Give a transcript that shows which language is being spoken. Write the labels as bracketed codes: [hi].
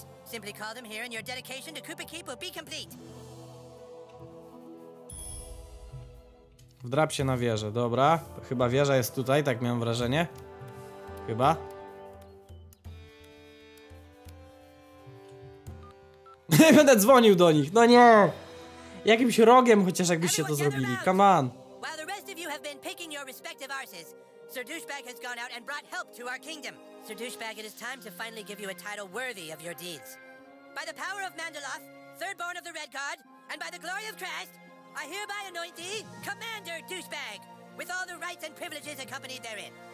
[en] Simply call them here and your dedication to Koopa Keep will be complete. [pl] Wdrap się na wieżę, dobra. Chyba wieża jest tutaj, tak miałem wrażenie. Chyba. Nie będę dzwonił do nich, no nie! Jakimś rogiem chociaż jakbyście to zrobili, [en] come on! While the rest of you have been picking your respective arses, Sir Douchebag has gone out and brought help to our kingdom. Sir Douchebag, it is time to finally give you a title worthy of your deeds. By the power of Mandaloth, third born of the Red Guard, and by the glory of Crest, I hereby anoint thee Commander Douchebag, with all the rights and privileges accompanied therein.